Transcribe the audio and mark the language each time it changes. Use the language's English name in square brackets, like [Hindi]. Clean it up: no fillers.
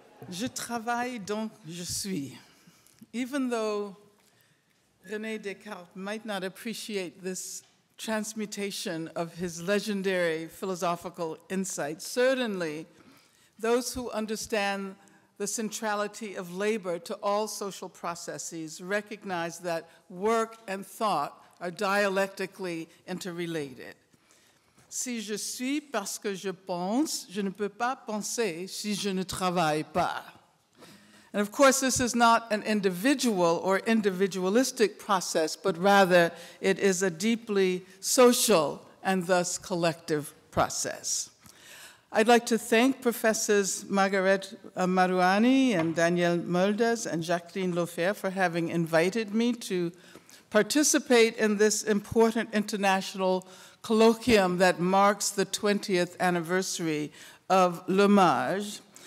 [French] Je travaille donc je suis. [English] Even though René Descartes might not appreciate this transmutation of his legendary philosophical insight, certainly those who understand the centrality of labor to all social processes recognize that work and thought are dialectically interrelated. [French] Si je suis parce que je pense, je ne peux pas penser si je ne travaille pas. [English] And of course, this is not an individual or individualistic process, but rather it is a deeply social and thus collective process. I'd like to thank Professors Margaret Marouani and Daniel Mulders and Jacqueline Lofer for having invited me to participate in this important international colloquium that marks the 20th anniversary of L'Hommage.